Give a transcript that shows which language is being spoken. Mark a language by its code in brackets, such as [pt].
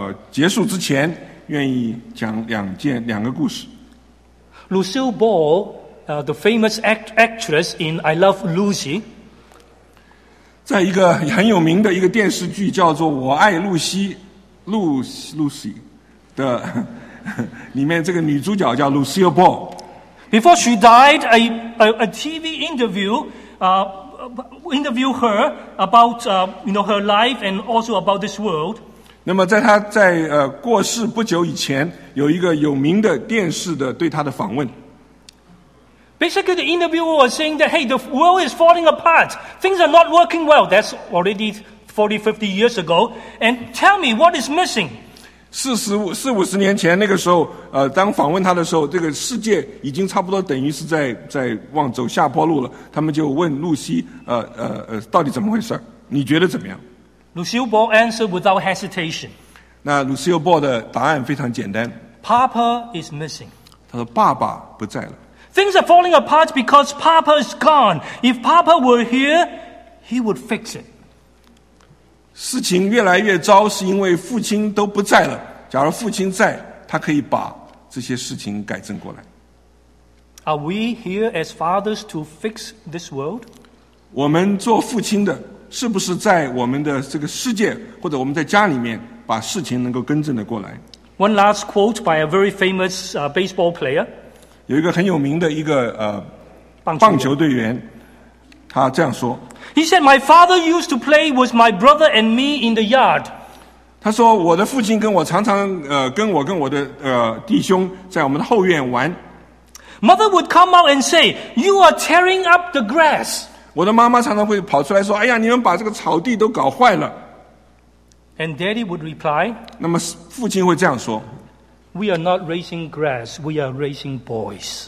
[zh] 结束之前愿意讲两个故事。 [en] Lucille Ball, the famous actress in I Love Lucy. [zh] 在一个很有名的一个电视剧叫做《我爱露西》Lucy 的里面，这个女主角叫 Lucille Ball. [en] Before she died, a TV interview. Interview her about her life and also about this world. [zh] 那么在她在过世不久以前，有一个有名的电视的对她的访问。 [en] Basically, the interviewer was saying that, hey, the world is falling apart. Things are not working well. That's already 40, 50 years ago. And tell me, what is missing? [zh] 四五十年前那个时候，当访问他的时候，这个世界已经差不多等于是在往走下坡路了。他们就问露西，到底怎么回事？你觉得怎么样 [en] ？Lucille Ball answered without hesitation. [zh] 那 Lucille Ball 的答案非常简单。 [en] Papa is missing. [zh] 他说爸爸不在了。 [en] Things are falling apart because Papa is gone. If Papa were here, he would fix it. [zh] 事情越来越糟，是因为父亲都不在了。假如父亲在，他可以把这些事情改正过来。 [en] Are we here as fathers to fix this world? [zh] 我们做父亲的，是不是在我们的这个世界，或者我们在家里面，把事情能够更正的过来？ [en] One last quote by a very famous baseball player. [zh] 有一个很有名的一个棒球队员，他这样说。 [en] He said, "My father used to play with my brother and me in the yard." [zh] 他说，我的父亲跟我常常跟我的弟兄在我们的后院玩。 [en] Mother would come out and say, "You are tearing up the grass." [zh] 我的妈妈常常会跑出来说，哎呀，你们把这个草地都搞坏了。 [en] And daddy would reply, [zh] 那么父亲会这样说， [en] "We are not raising grass, we are raising boys."